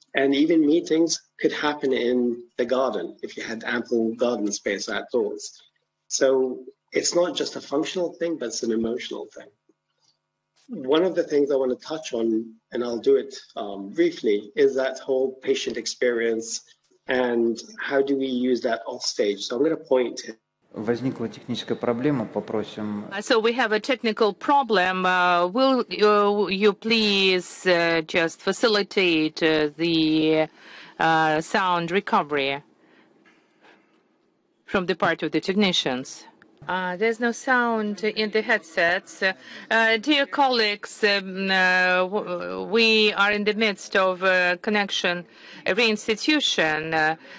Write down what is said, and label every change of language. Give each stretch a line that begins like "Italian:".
English: And even meetings could happen in the garden if you had ample garden space outdoors. So it's not just a functional thing, but it's an emotional thing. One of the things I want to touch on, and I'll do it briefly, is that whole patient experience and how do we use that offstage. So I'm going to point to.
Russian: Возникла техническая проблема, попросим.
English: So we have a technical problem. Will you please just facilitate the sound recovery from the part of the technicians? There's no sound in the headsets. Dear colleagues, we are in the midst of a connection reinstitution.